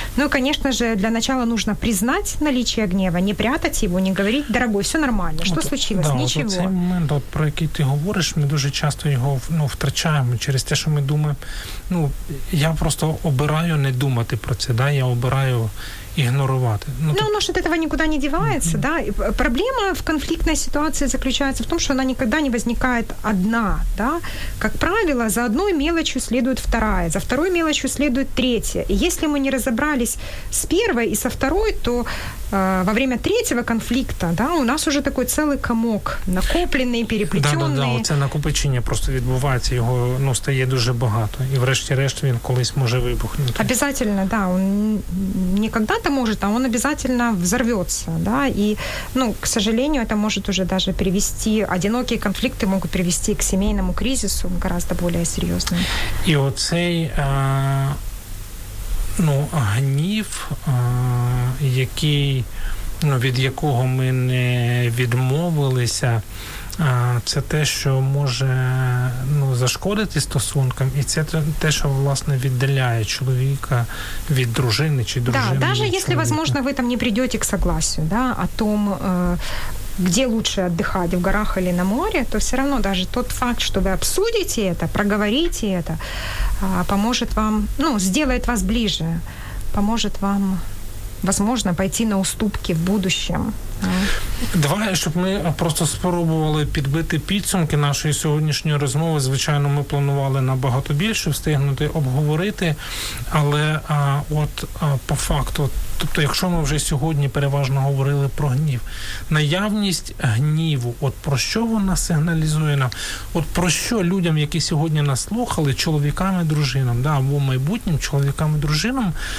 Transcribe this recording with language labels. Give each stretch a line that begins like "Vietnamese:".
Russian: Ну и, конечно же, для начала нужно признать наличие гнева, не прятать его, не говорить, дорогой, все нормально, что случилось? Да, ничего. Вот этот момент, вот, про який ты говоришь, мы очень часто его ну, втрачаем через то, что мы думаем, ну,
Ukrainian: я просто обираю не думати про це,
Russian: да?
Ukrainian: Я обираю ігнорувати. Ну, то... воно ж від цього нікуди не дівається. Да? Проблема в конфліктній ситуації заключається в тому, що вона ніколи не виникає одна. Да? Як правило, за одною мелочью слідує вторая, за второю мелочью слідує третя. І якщо ми не розібрались з першою і зі второю,
Russian: то во время третьего конфликта, да, у нас уже такой целый комок, накопленный, переплетённый.
Ukrainian: Да, это накопичение просто відбувається, его, ну, стає дуже багато, і врешті-решт він колись може вибухнути.
Russian: Обязательно, да, он не когда-то может, а он обязательно взорвётся, да, и, ну, к сожалению, это может уже даже привести, одинокие конфликты могут привести к семейному кризису гораздо более серьёзному. И вот цей...
Ukrainian: Ну, гнів, який, ну, від якого ми не відмовилися, це те, що може ну, зашкодити стосункам, і це те, що, власне, віддаляє чоловіка від дружини чи дружини. Так, навіть якщо, можливо, ви там не прийдете
Russian: к согласию, да, о том, где лучше отдыхать, в горах или на море, то все равно даже тот факт, что вы обсудите это, проговорите это, поможет вам, ну, сделает вас ближе, поможет вам, возможно, пойти на уступки в будущем.
Ukrainian: Давай, щоб ми просто спробували підбити підсумки нашої сьогоднішньої розмови. Звичайно, ми планували набагато більше встигнути обговорити, але по факту, тобто, якщо ми вже сьогодні переважно говорили про гнів, наявність гніву, от про що вона сигналізує нам, от про що людям, які сьогодні нас слухали, чоловікам і дружинам, да, або майбутнім чоловікам і дружинам,